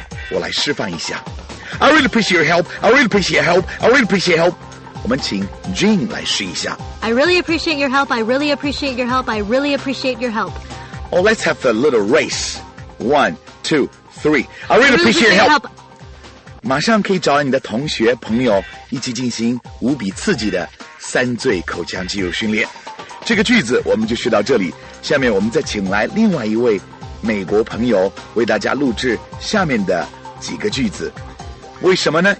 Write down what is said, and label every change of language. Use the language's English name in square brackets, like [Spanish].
[Chinese] 我来示范一下 [English] I really appreciate your help， I really appreciate your help， I really appreciate your help。 [Chinese] 我们请 Jane 来试一下。 [English] I really appreciate your help. I really appreciate your help. I really appreciate your help. Oh, let's have a little race. 1, 2, 3. I really appreciate your help. [Chinese] 马上可以找你的同学朋友一起进行无比刺激的三最口腔肌肉训练。这个句子我们就学到这里。下面我们再请来另外一位美国朋友为大家录制下面的几个句子。为什么呢？